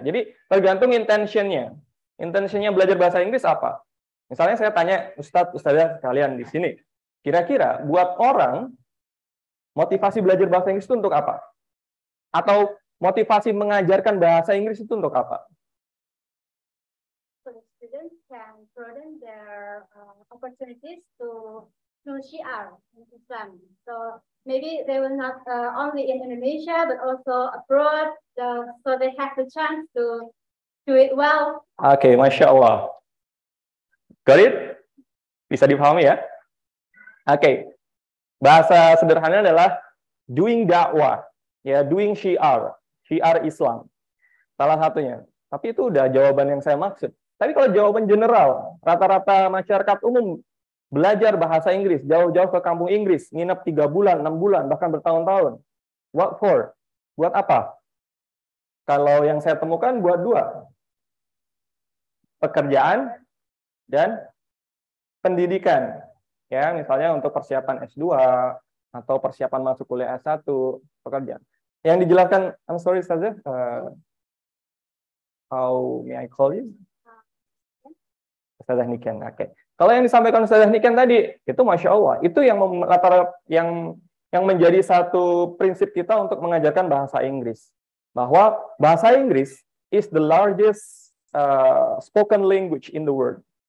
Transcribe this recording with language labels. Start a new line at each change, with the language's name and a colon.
Indonesian: Jadi tergantung intentionnya. Intentionnya belajar bahasa Inggris apa? Misalnya saya tanya ustadz-ustadzah kalian di sini, kira-kira buat orang motivasi belajar bahasa Inggris itu untuk apa? Atau motivasi mengajarkan bahasa Inggris itu untuk apa?
English: So students can broaden their opportunities to Syiar in Islam. So maybe they will not only in Indonesia but also abroad. So they have the chance to do it well. Okay, Masya Allah. Got it?
Indonesian: Bisa dipahami ya?
English: Okay.
Indonesian: Bahasa sederhana adalah doing dakwah, ya, doing syiar, syiar Islam, salah satunya. Tapi itu udah jawaban yang saya maksud. Tapi kalau jawaban general, rata-rata masyarakat umum belajar bahasa Inggris, jauh-jauh ke kampung Inggris, nginep 3 bulan, 6 bulan, bahkan bertahun-tahun.
English: What for?
Indonesian: Buat apa? Kalau yang saya temukan, buat dua. Pekerjaan dan pendidikan. Ya, misalnya untuk persiapan S2 atau persiapan masuk kuliah S1 pekerjaan. Yang dijelaskan,
English: I'm sorry Ustaz, how may I call you?
Indonesian: Ustaz Niken. Oke. Okay. Kalau yang disampaikan Ustaz Niken tadi, itu Masya Allah, itu yang menjadi satu prinsip kita untuk mengajarkan bahasa Inggris. Bahwa bahasa Inggris
English: is the largest spoken language in the world.